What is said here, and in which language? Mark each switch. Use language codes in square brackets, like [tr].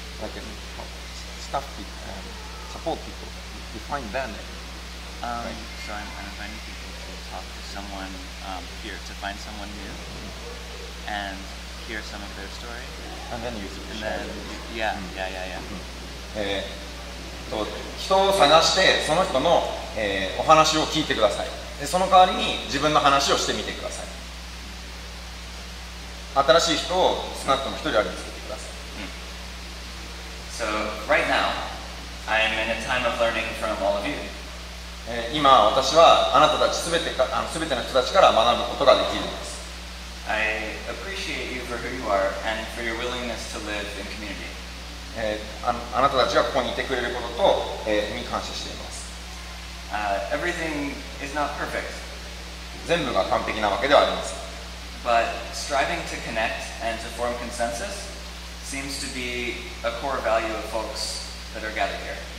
[en] Like staff people, support people. You find their name. Right? So I'm kind of finding people to talk to someone here to find someone new and hear some of their story. And then you can share. Yeah. Mm-hmm. [ja] 人を探してその人の、お話を聞いてください。でその代わりに自分の話をしてみてください。新しい人を少なくとも一人あります。 [en] So right now, I am in a time of learning from all of you. [ja] 今私はあなたたちすべての人たちから学ぶことができるんです。 [en] I appreciate you for who you are and for your willingness to live in community. [ja] あなたたちがここにいてくれることと、に感謝しています。 [en] Everything is not perfect. [ja] 全部が完璧なわけではありません。 [en] But striving to connect and to form consensus. Seems to be a core value of folks that are gathered here.